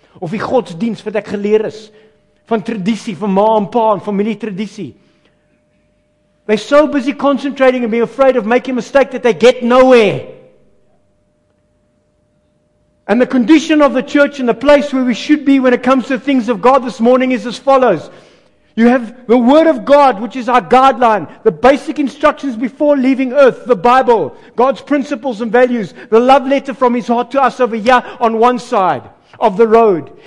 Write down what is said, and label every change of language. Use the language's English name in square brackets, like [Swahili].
[Afrikaans] Of die godsdienst wat ek geleer is? Van traditie, van ma en pa en familie traditie. [English] They're so busy concentrating and being afraid of making a mistake that they get nowhere. And the condition of the church and the place where we should be when it comes to things of God this morning is as follows. You have the Word of God, which is our guideline, the basic instructions before leaving earth, the Bible, God's principles and values, the love letter from His heart to us over here on one side of the road.